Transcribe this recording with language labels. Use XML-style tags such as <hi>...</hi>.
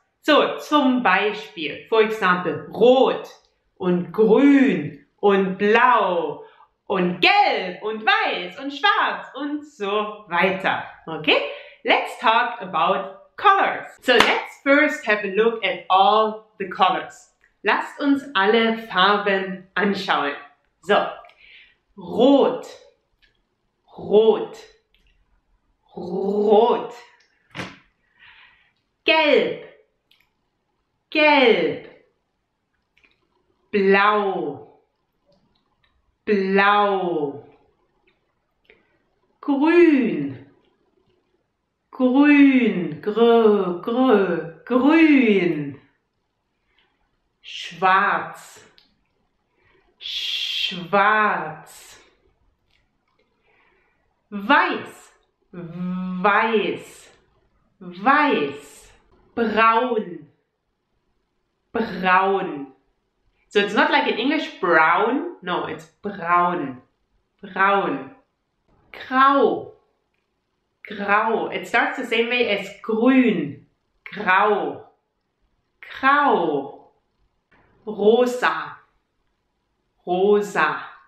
<de>So, zum Beispiel,</de> <en>for example,</en> <de>rot und grün und blau und gelb und weiß und schwarz und so weiter.</de> <en>Okay? Let's talk about colors. So let's first have a look at all the colors.</en> <de>Lasst uns alle Farben anschauen. So, rot, rot, rot, gelb, gelb, blau, blau, grün, grün, grün, schwarz, schwarz, weiß, weiß, weiß, braun, braun.</de> <en>So it's not like in English brown, no, it's braun, braun, grau. Grau. It starts the same way as grün. Grau.</en> <de>Grau. Rosa. Rosa.</de>